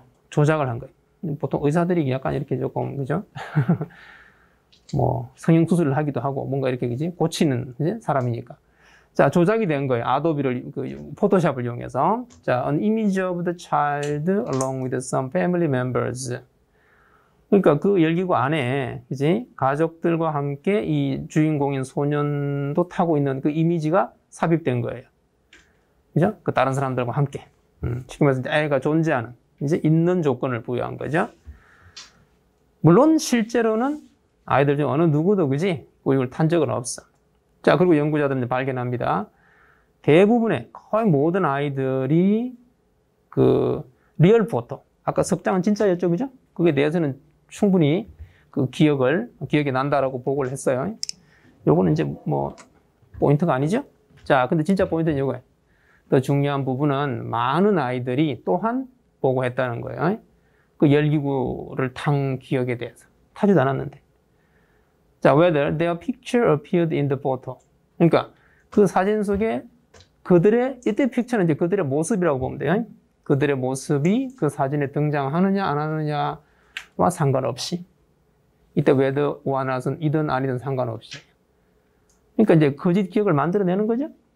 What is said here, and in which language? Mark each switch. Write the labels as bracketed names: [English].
[Korean] 조작을 한 거예요. 보통 의사들이 약간 이렇게 조금, 그죠? 뭐, 성형수술을 하기도 하고, 뭔가 이렇게, 그지? 고치는, 그지? 사람이니까. 자, 조작이 된 거예요. 아도비를, 포토샵을 이용해서. [English] 자, an image of the child along with some family members. [Korean] 그러니까 그 열기구 안에, 그지? 가족들과 함께 이 주인공인 소년도 타고 있는 그 이미지가 삽입된 거예요. 그죠? 그 다른 사람들과 함께. 지금 해서 애가 존재하는. 이제 있는 조건을 부여한 거죠. 물론 실제로는 아이들 중 어느 누구도 그지 이걸 탄 적은 없어. 자, 그리고 연구자들은 이제 발견합니다. 대부분의 거의 모든 아이들이 그 리얼 포토, 아까 석장은 진짜였죠, 그죠? 그게 대해서는 충분히 그 기억이 난다라고 보고를 했어요. 요거는 이제 뭐 포인트가 아니죠. 자, 근데 진짜 포인트는 요거예요. 더 중요한 부분은 많은 아이들이 또한 보고했다는 거예요. 그 열기구를 탄 기억에 대해서. 타지도 않았는데. [English] 자, whether their picture appeared in the photo. [Korean] 그러니까 그 사진 속에 그들의, 이때 picture는 이제 그들의 모습이라고 보면 돼요. 그들의 모습이 그 사진에 등장하느냐 안 하느냐와 상관없이. 이때 whether or not은 이든 아니든 상관없이. 그러니까 이제 거짓 기억을 만들어내는 거죠.